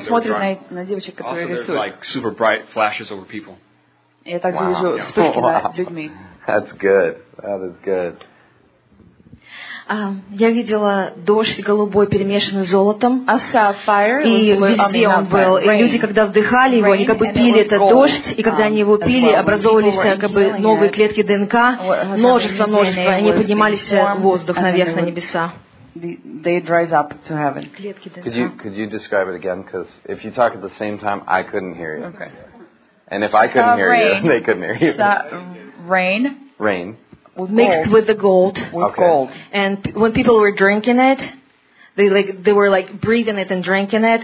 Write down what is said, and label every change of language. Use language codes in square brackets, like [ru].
[en] And looking at the artists. Also, there's like super bright flashes over people. [ru] Я также вижу вспышки над людьми. [en] That's good. That is good. [ru] Я видела дождь голубой, перемешанный с золотом. [en] I saw fire. [ru] И везде он был. И люди, когда вдыхали его, они как бы пили этот дождь. И когда они его пили, образовывались как бы новые клетки ДНК. Множество. Они поднимались в воздух наверх, на небеса. [en] They rise up to heaven. [ru] Клетки ДНК. [en] Could you describe it again? Because if you talk at the same time, I couldn't hear you. Okay. And if I couldn't hear rain. You, they couldn't hear you. Rain. Mixed with the gold. With gold. And when people were drinking it, they were breathing it and drinking it.